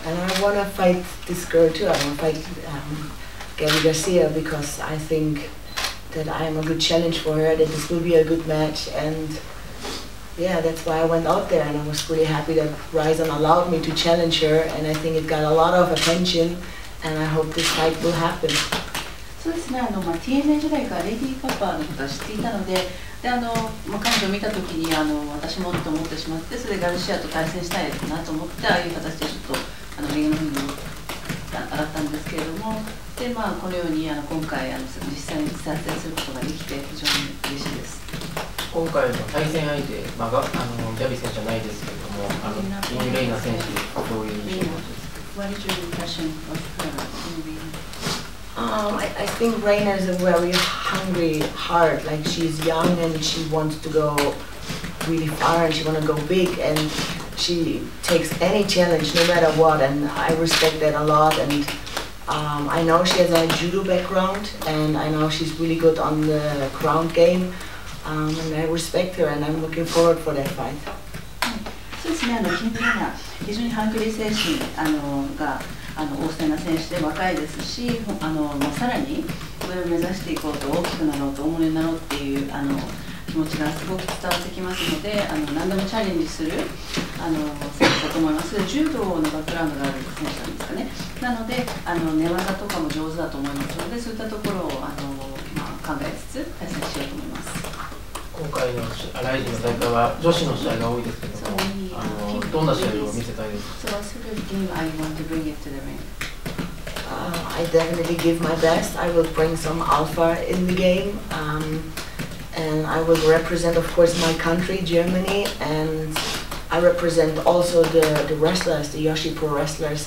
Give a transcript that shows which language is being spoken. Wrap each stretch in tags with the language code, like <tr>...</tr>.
<en>And I want to fight this girl too. I want to fight Gabby Garcia because I think that I am a good challenge for her, that this will be a good match. AndYeah, that's why I went out there, and I was really happy that Ryzen allowed me to challenge her, and I think it got a lot of attention, and I hope this fight will happen.</en> <ja>そうですね、TNA 時代からレディーパッパーのことは知っていたので、で、彼女を見たときに私もと思ってしまって、それでガルシアと対戦したいなと思って、ああいう形でちょっと右の方に上がったんですけれども、で、このように今回実際に撮影することができて、非常に嬉しいです。今回の対戦相手、ジャビ選手じゃないですけれども、インレイナ選手、どういう印象ですか？</ja> <en>What is your impression of her in Reina? I think Reina is a very hungry heart. Like, she's young and she wants to go really far and she wants to go big. And she takes any challenge, no matter what. And I respect that a lot. AndI know she has a judo background and I know she's really good on the ground game. And I respect her, and I'm looking forward for that fight.</en> <ja>そうですね、キングレーナ、非常にハングリー精神が旺盛な選手で、若いですし、さらに上を目指していこうと、大きくなろうと、大物になろうっていう気持ちがすごく伝わってきますので、何でもチャレンジする選手だと思います。柔道のバックグラウンドがある選手なんですかね。なので、寝技とかも上手だと思いますので、そういったところを考えつつ、対戦しようと思います。今回のライジンの大会は女子の試合が多いですけども、どんな試合を見せたいですか？</ja> <en>So what sort of game I want to bring it to the ring? I definitely give my best. I will bring some alpha in the game. And I will represent, of course, my country, Germany. And I represent also the wrestlers, the Yoshi Pro wrestlers.</en>